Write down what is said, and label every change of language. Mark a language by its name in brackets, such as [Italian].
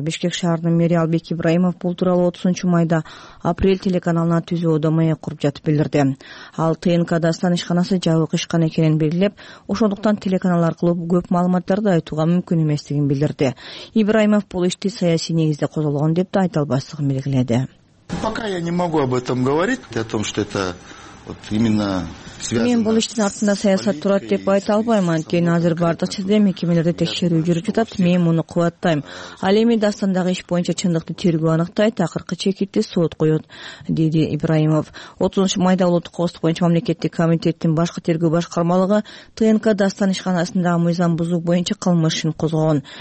[Kyrgyz] Бишкек шаарынын мэри Албек Ибраимов бул тууралуу 30 майда апрель телеканалына түзүүдө маек куруп жатып билдирди. Ал ТНК дастан ишканасы жабык ишкана экенин белгилеп, ошондуктан телеканал аркылуу көп маалыматтарды айтууга мүмкүн эместигин билдирди. Ибраимов бул ишти саясий негизде козголгон деп да айта албастыгын белгиледи. [Russian] Пока я не могу об этом говорить, о том, что это вот именно связано. [Kyrgyz] Мен бул иштин артында саясат турат деп айта албайм, анткени азыр бардык жерде мекемелерде текшерүү жүрүп жатат. Мен муну кубаттайм. Ал эми дастандагы иш боюнча чындыкты тергөө аныктайт, акыркы чекитти сот коет, деди Ибраимов. 30 майда улуттук коопсуздук боюнча мамлекеттик комитеттин башкы тергөө башкармалыгы ТНК дастан ишканасындагы мыйзам бузуу боюнча кылмыш ишин козгогон.